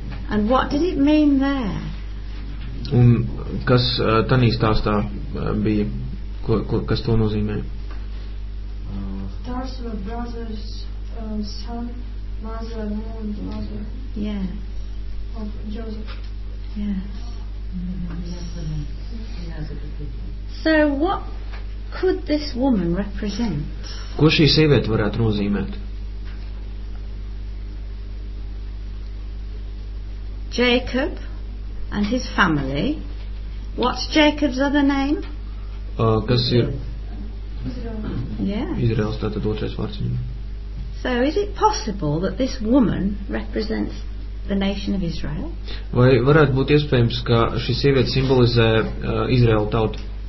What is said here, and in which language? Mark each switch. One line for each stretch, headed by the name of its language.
English: And what did it mean there?
Latvian: Un kas tanī stāstā bija, kas to nozīmē?
English: Stars were brothers, sun, mother, moon, father. Of Joseph. So what could this woman represent?
Latvian: Ko šī sieviete varētu nozīmēt?
English: Jacob and his family. What's Jacob's other name?
Latvian: Kas ir?
English: Yeah.
Latvian: Izraels, tātad otrais vārds viņam.
English: So is it possible that this woman represents the nation of Israel?
Latvian: Vai varētu būt iespējams, ka šī sieviete simbolizē Izraela tautu?